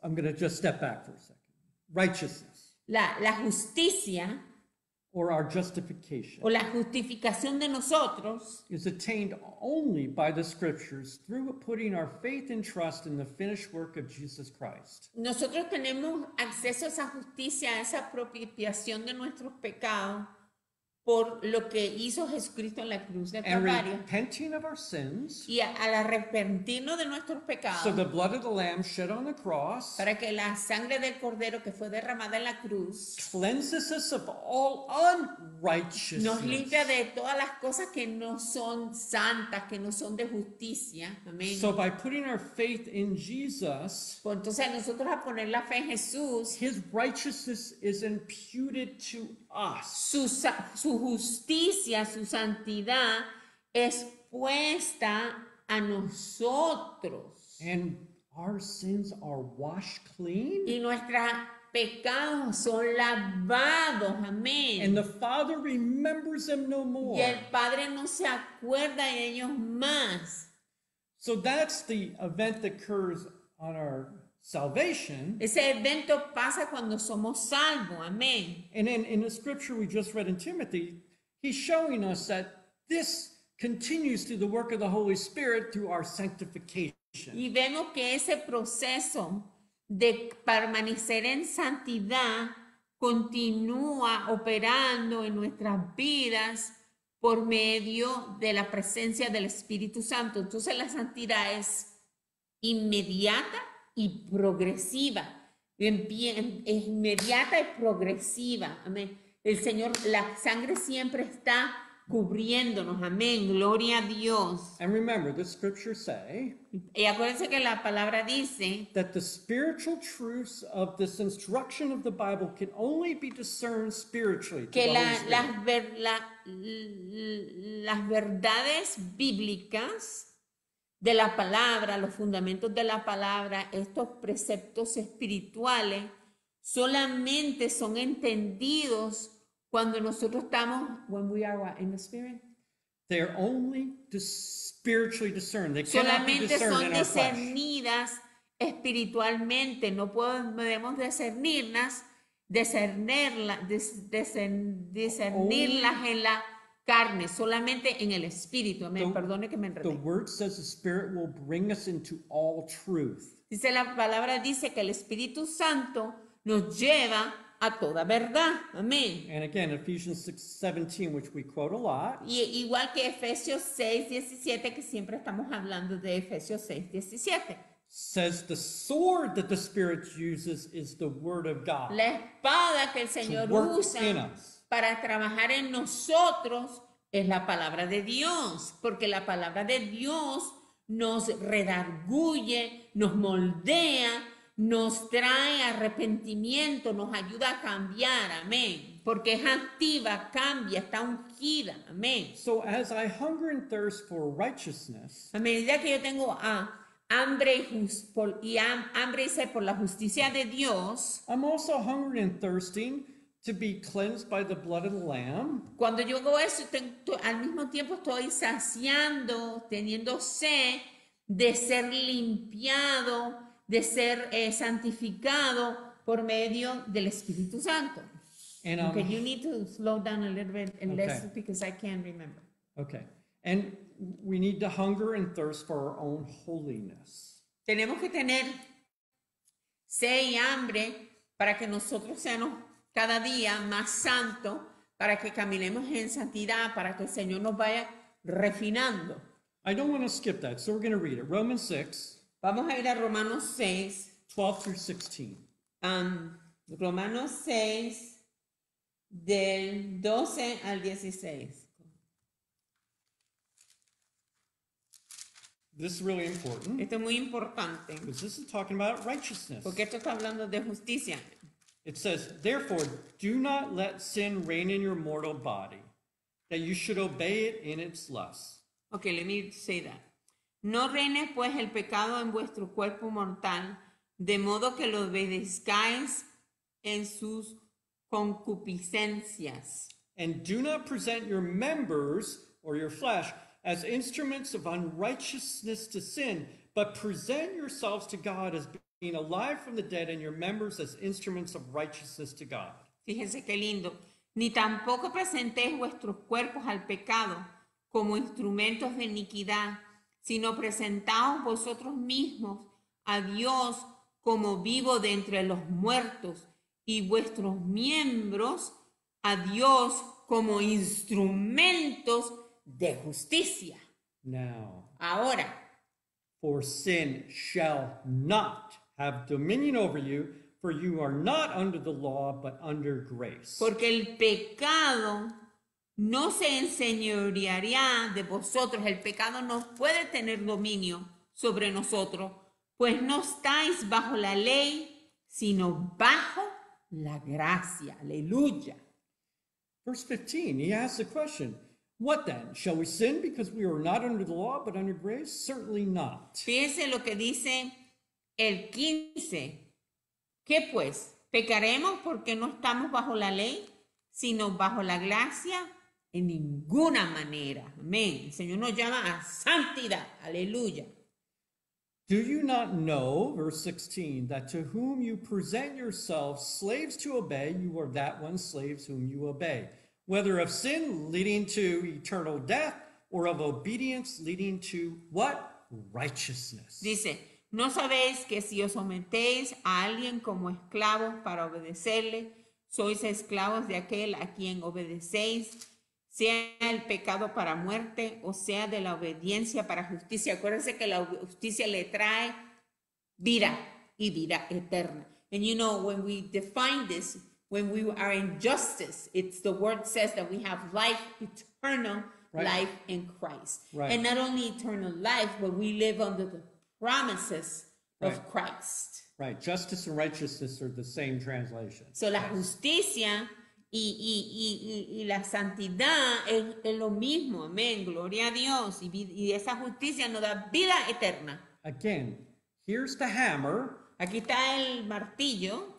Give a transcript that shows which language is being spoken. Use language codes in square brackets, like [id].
[en] I'm going to just step back for a second. Righteousness. [es] La justicia. [en] Or our justification. [es] O la justificación de nosotros. [en] Is attained only by the scriptures through putting our faith and trust in the finished work of Jesus Christ. [es] Nosotros tenemos acceso a esa justicia, a esa propiciación de nuestros pecados. Por lo que hizo Jesucristo en la cruz de Calvario. [en] And repenting of our sins. [es] Y al arrepentirnos de nuestros pecados. [en] So the blood of the lamb shed on the cross. [es] Para que la sangre del cordero que fue derramada en la cruz. [en] Cleanses us of all unrighteousness. [es] Nos limpia de todas las cosas que no son santas, que no son de justicia. Amén. [en] So by putting our faith in Jesus. [es] Pues entonces nosotros a poner la fe en Jesús. [en] His righteousness is imputed to us. [es] Su justicia, su santidad es puesta a nosotros. [en] And our sins are washed clean. [es] Y nuestros pecados son lavados. Amén. [en] And the Father remembers them no more. [es] Y el Padre no se acuerda de ellos más. [en] So that's the event that occurs on our salvation. [es] Ese evento pasa cuando somos salvos. Amén. [en] And in the scripture we just read in Timothy, he's showing us that this continues through the work of the Holy Spirit through our sanctification. [es] Y vemos que ese proceso de permanecer en santidad continúa operando en nuestras vidas por medio de la presencia del Espíritu Santo. Entonces la santidad es inmediata y progresiva, es inmediata y progresiva. Amén. El Señor, la sangre siempre está cubriéndonos. Amén. Gloria a Dios. [en] And remember, the scriptures say, [es] y acuérdense que la palabra dice [en] that the spiritual truths of this instruction of the Bible can only be discerned spiritually. [es] Que las verdades bíblicas de la palabra, los fundamentos de la palabra, estos preceptos espirituales, solamente son entendidos cuando nosotros estamos, [en] when we are in the spirit. They're only spiritually discerned. They [es] solamente [en] cannot be discerned [es] son discernidas espiritualmente. No podemos discernirlas en la carne, solamente en el espíritu. Amén. Perdone que me enredé. [en] The word says the spirit will bring us into all truth. [es] Dice la palabra, dice que el Espíritu Santo nos lleva a toda verdad. Amén. [en] And again, Ephesians 6:17, which we quote a lot. [es] Y igual que Efesios 6:17, que siempre estamos hablando de Efesios 6:17. [en] Says the sword that the spirit uses is the word of God. [es] La espada que el Señor [en] to work [es] usa [en] in us. [es] Para trabajar en nosotros es la palabra de Dios, porque la palabra de Dios nos redarguye, nos moldea, nos trae arrepentimiento, nos ayuda a cambiar. Amén. Porque es activa, cambia, está ungida. Amén. [en] So as I hunger and thirst for righteousness, [es] a medida que yo tengo hambre y sed por la justicia de Dios. [en] I'm also hungry and thirsting to be cleansed by the blood of the Lamb. [es] Cuando yo hago eso, al mismo tiempo estoy saciando, teniendo sed de ser limpiado, de ser santificado por medio del Espíritu Santo. [en] And, okay, you need to slow down a little bit and less because I can't remember. Okay. And we need to hunger and thirst for our own holiness. [es] Tenemos que tener sed y hambre para que nosotros seamos cada día más santos, para que caminemos en santidad, para que el Señor nos vaya refinando. [en] I don't want to skip that, so we're going to read it. Romans 6. [es] Vamos a ir a Romanos 6. [en] 12 through 16. [es] Romanos 6, del 12 al 16. [en] This is really important. [es] Esto es muy importante. [en] Because this is talking about righteousness. [es] Porque esto está hablando de justicia. [en] It says, therefore, do not let sin reign in your mortal body, that you should obey it in its lusts. Okay, let me say that. [es] No reine pues el pecado en vuestro cuerpo mortal, de modo que lo obedezcáis en sus concupiscencias. [en] And do not present your members or your flesh as instruments of unrighteousness to sin, but present yourselves to God as being alive from the dead and your members as instruments of righteousness to God. [es] Fíjense qué lindo. Ni tampoco presentéis vuestros cuerpos al pecado como instrumentos de iniquidad, sino presentaos vosotros mismos a Dios como vivo de entre los muertos y vuestros miembros a Dios como instrumentos de justicia. [en] Now, [es] ahora, [en] for sin shall not have dominion over you, for you are not under the law, but under grace. [es] Porque el pecado no se enseñorearía de vosotros. El pecado no puede tener dominio sobre nosotros, pues no estáis bajo la ley, sino bajo la gracia. Aleluya. [en] Verse 15, he asks the question, what then? Shall we sin because we are not under the law, but under grace? Certainly not. [es] Fíjense lo que dice el 15. ¿Qué pues? ¿Pecaremos porque no estamos bajo la ley, sino bajo la gracia? En ninguna manera. Amén. El Señor nos llama a santidad. Aleluya. [en] Do you not know, verse 16, that to whom you present yourselves slaves to obey, you are that one slaves whom you obey, whether of sin leading to eternal death or of obedience leading to what? Righteousness. [es] Dice, ¿no sabéis que si os sometéis a alguien como esclavo para obedecerle, sois esclavos de aquel a quien obedecéis, sea el pecado para muerte o sea de la obediencia para justicia? Acuérdense que la justicia le trae vida y vida eterna. [en] And you know, when we define this, when we are in justice, it's the word says that we have life, eternal life in Christ. Right. And not only eternal life, but we live under the promises of Christ. Right. Justice and righteousness are the same translation. [es] So la justicia y la santidad es lo mismo. Amén. Gloria a Dios. Y esa justicia nos da vida eterna. [en] Again, here's the hammer. [es] Aquí está el martillo.